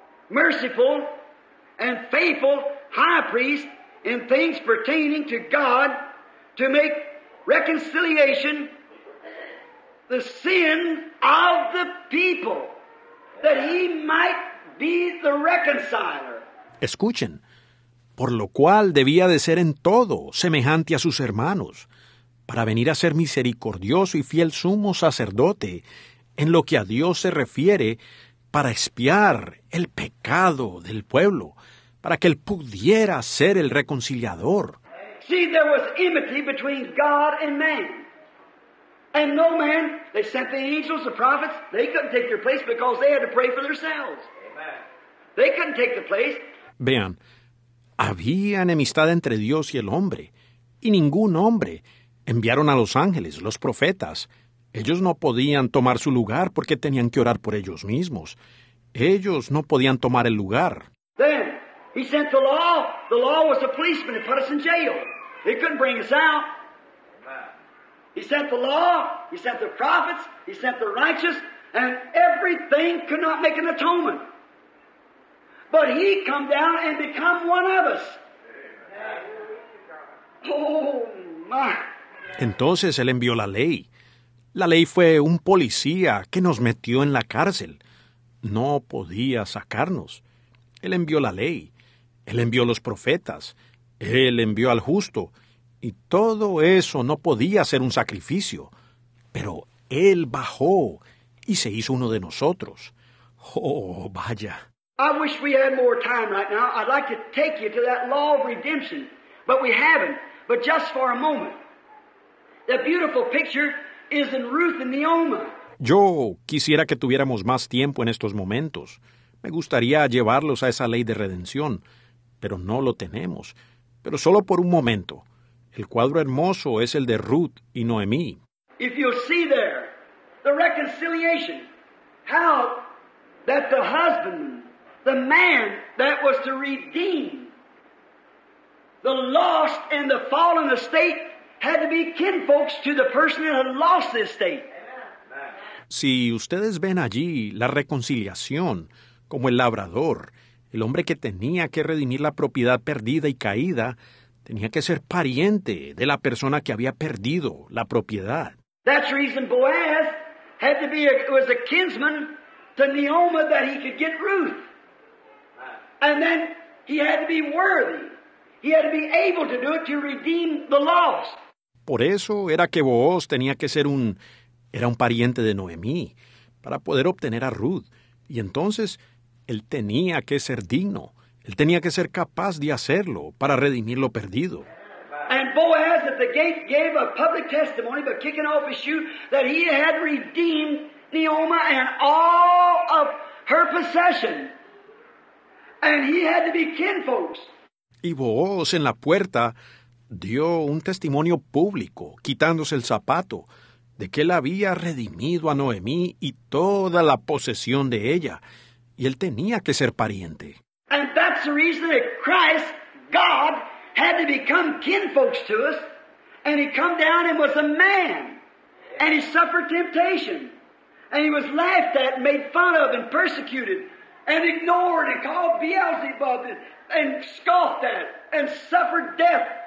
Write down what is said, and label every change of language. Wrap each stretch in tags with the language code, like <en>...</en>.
<en>merciful and faithful high priest in things pertaining to God, to make reconciliation the sin of the people, that he might be the reconciler.</en> <es>Escuchen. por lo cual debía de ser en todo semejante a sus hermanos, para venir a ser misericordioso y fiel sumo sacerdote en lo que a Dios se refiere, para expiar el pecado del pueblo, para que él pudiera ser el reconciliador.</es> <en>See, there was enmity between God and man. And no man, they sent the angels, the prophets, they couldn't take their place because they had to pray for themselves. Amen. They couldn't take the place.</en> <es>Vean, había enemistad entre Dios y el hombre, y ningún hombre. Enviaron a los ángeles, los profetas. Ellos no podían tomar su lugar porque tenían que orar por ellos mismos. Ellos no podían tomar el lugar.</es> <en>Then he sent the law. The law was a policeman. It put us in jail. It couldn't bring us out. He sent the law. He sent the prophets. He sent the righteous. And everything could not make an atonement. But he come down and become one of us. Oh, my.</en> <es>Entonces él envió la ley. La ley fue un policía que nos metió en la cárcel. No podía sacarnos. Él envió la ley. Él envió los profetas. Él envió al justo. Y todo eso no podía ser un sacrificio. Pero él bajó y se hizo uno de nosotros. Oh, vaya.</es> <en>I wish we had more time right now. I'd like to take you to that law of redemption. But we haven't. But just for a moment. The beautiful picture is in Ruth and Naomi.</en> <es>Yo quisiera que tuviéramos más tiempo en estos momentos. Me gustaría llevarlos a esa ley de redención, pero no lo tenemos. Pero solo por un momento. El cuadro hermoso es el de Ruth y Noemí.</es> <en>If you see there, the reconciliation, how that the husband, the man that was to redeem the lost and the fallen estate, had to be kinfolks to the person that had lost the estate.</en> <es>Si ustedes ven allí la reconciliación, como el labrador, el hombre que tenía que redimir la propiedad perdida y caída, tenía que ser pariente de la persona que había perdido la propiedad.</es> <en>That's the reason Boaz had to be was a kinsman to Naomi that he could get Ruth. And then he had to be worthy. He had to be able to do it to redeem the lost.</en> <es>Por eso era que Boaz tenía que ser un pariente de Noemí para poder obtener a Ruth. Y entonces, él tenía que ser digno. Él tenía que ser capaz de hacerlo para redimir lo perdido.</es> <en>And Boaz at the gate gave a public testimony by kicking off his shoe that he had redeemed Naomi and all of her possession. And he had to be kinfolks.</en> <es>Y Boaz en la puerta dio un testimonio público, quitándose el zapato, de que él había redimido a Noemí y toda la posesión de ella, y él tenía que ser pariente.</es> <en>And that's the reason that Christ, God, had to become kinfolks to us, and he come down and was a man, and he suffered temptation, and he was laughed at and made fun of and persecuted and ignored and called Beelzebub and scoffed at and suffered death.</en>